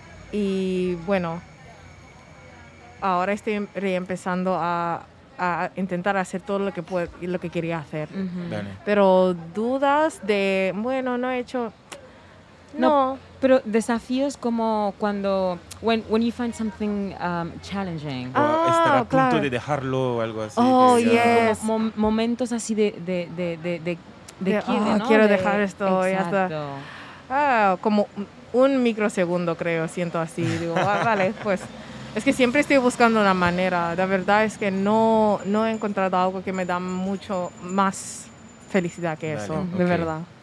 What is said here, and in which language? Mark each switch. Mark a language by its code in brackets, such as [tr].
[es] Y bueno, ahora estoy reempezando a intentar hacer todo lo que quería hacer. Pero dudas de, bueno, no he hecho... No. Pero desafíos como cuando... [en] When you find something challenging. [es] Estar a punto de dejarlo o algo así. [en] Yes. [es] Momentos así de quiebre, ¿no? Quiero dejar esto. Exacto. Como un microsegundo, creo, siento así. Digo, vale, pues... Es que siempre estoy buscando una manera. La verdad es que no he encontrado algo que me da mucho más felicidad que eso, de verdad.